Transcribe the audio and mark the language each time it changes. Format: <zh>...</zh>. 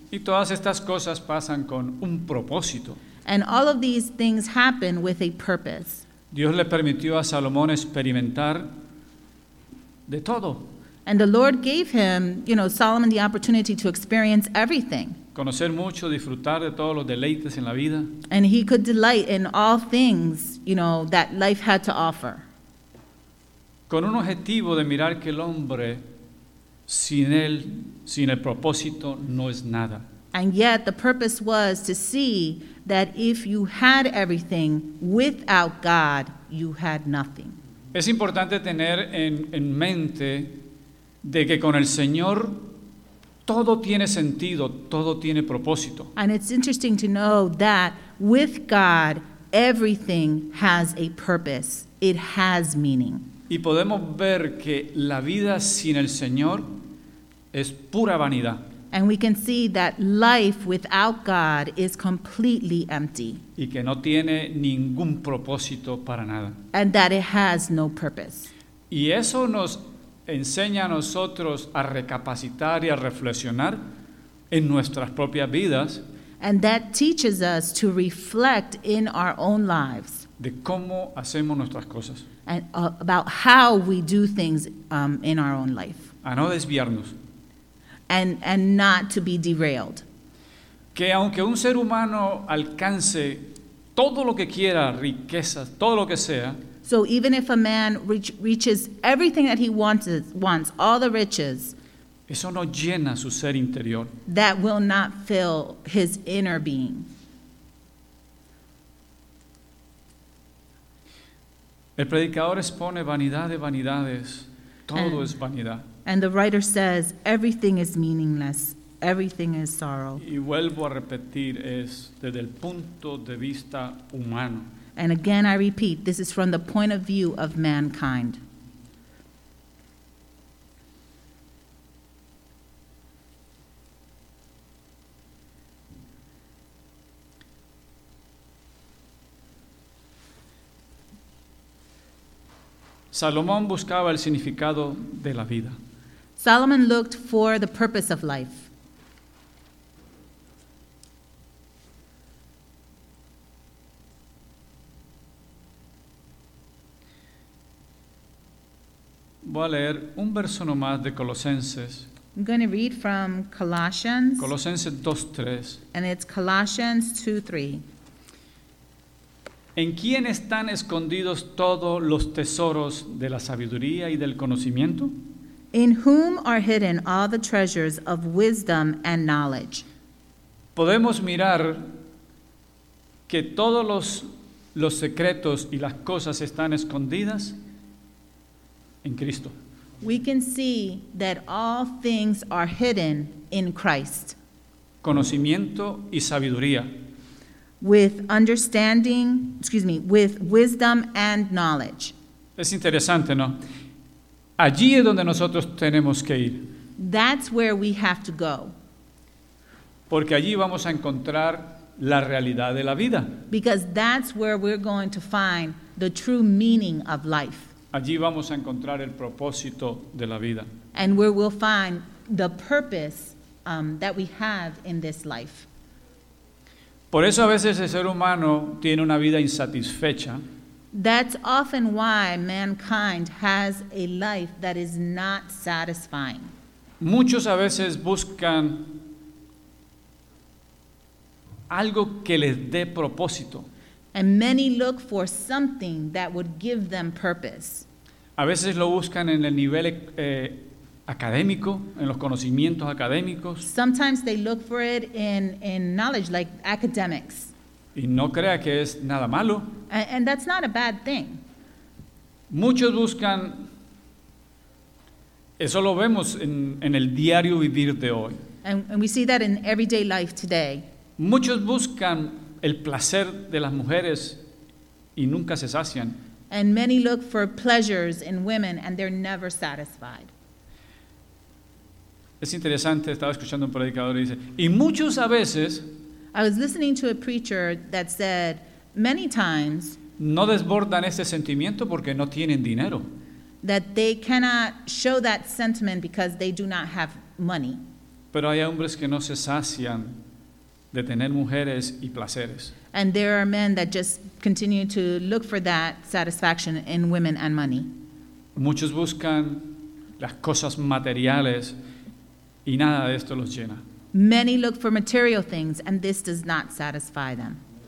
<es>Y todas estas cosas pasan con un propósito.</es> <en>And all of these things happen with a purpose.</en> <es>Dios le permitió a Salomón experimentar de todo.</es> <en>And the Lord gave him, you know, Solomon, the opportunity to experience everything.</en> <es>Conocer mucho, disfrutar de todos los deleites en la vida.</es> <en>And he could delight in all things, you know, that life had to offer.</en> <es>Con un objetivo de mirar que el hombre sin él, sin el propósito, no es nada.</es> <en>And yet the purpose was to see that if you had everything without God, you had nothing.</en> <es>Es importante tener en mente de que con el Señor todo tiene sentido, todo tiene propósito.</es> <en>And it's interesting to know that with God, everything has a purpose. It has meaning.</en> <es>Y podemos ver que la vida sin el Señor es pura vanidad.</es> <en>And we can see that life without God is completely empty.</en> <es>Y que no tiene ningún propósito para nada.</es> <en>And that it has no purpose.</en> <es>Y eso nos enseña a nosotros a recapacitar y a reflexionar en nuestras propias vidas.</es> <en>And that teaches us to reflect in our own lives.</en> <es>De cómo hacemos nuestras cosas.</es> <en>And about how we do things in our own life.</en> <es>A no desviarnos.</es> <en>And not to be derailed.</en> <es>Que aunque un ser humano alcance todo lo que quiera, riquezas, todo lo que sea.</es> <en>So even if a man reaches everything that he wants, all the riches.</en> <es>Eso no llena su ser interior.</es> <en>That will not fill his inner being.</en> <es>El predicador expone vanidad de vanidades. Todo es vanidad.</es> <en>And the writer says, everything is meaningless. Everything is sorrow.</en> <es>Y vuelvo a repetir, es desde el punto de vista humano.</es> <en>And again, I repeat, this is from the point of view of mankind.</en> <es>Salomón buscaba el significado de la vida.</es> <en>Solomon looked for the purpose of life.</en> <es>Voy a leer un verso nomás de Colosenses.</es> <en>I'm going to read from Colossians.</en> <es>Colosenses 2:3.</es> <en>And it's Colossians 2:3.</en> <es>¿En quién están escondidos todos los tesoros de la sabiduría y del conocimiento?</es> <en>In whom are hidden all the treasures of wisdom and knowledge?</en> <es>Podemos mirar que todos los secretos y las cosas están escondidas en Cristo.</es> <en>We can see that all things are hidden in Christ.</en> <es>Conocimiento y sabiduría.</es> <en>With wisdom and knowledge.</en> <es>Es interesante, ¿no? Allí es donde nosotros tenemos que ir.</es> <en>That's where we have to go.</en> <es>Porque allí vamos a encontrar la realidad de la vida.</es> <en>Because that's where we're going to find the true meaning of life.</en> <es>Allí vamos a encontrar el propósito de la vida.</es> <en>And where we'll find the purpose that we have in this life.</en> <es>Por eso a veces el ser humano tiene una vida insatisfecha.</es> <en>That's often why mankind has a life that is not satisfying.</en> <es>Muchos a veces buscan algo que les dé propósito.</es> <en>And many look for something that would give them purpose.</en> <es>A veces lo buscan en el nivel académico, en los conocimientos académicos.</es> <en>Sometimes they look for it in knowledge, like academics.</en> <es>Y no crea que es nada malo.</es> <en>And that's not a bad thing.</en> <es>Muchos buscan Eso lo vemos en el diario vivir de hoy.</es> <en>And we see that in everyday life today.</en> <es>Muchos buscan el placer de las mujeres y nunca se sacian.</es> <en>And many look for pleasures in women and they're never satisfied.</en> <es>Es interesante, estaba escuchando un predicador y dice, y muchos a veces,</es> <en>I was listening to a preacher that said, many times,</en> <es>no desbordan ese sentimiento porque no tienen dinero.</es> <en>That they cannot show that sentiment because they do not have money.</en> <es>Pero hay hombres que no se sacian de tener mujeres y placeres.</es> <en>And there are men that just continue to look for that satisfaction in women and money.</en> <es>Muchos buscan las cosas materiales y nada de esto los llena.</es> <en>Many look for material things and this does not satisfy them.</en>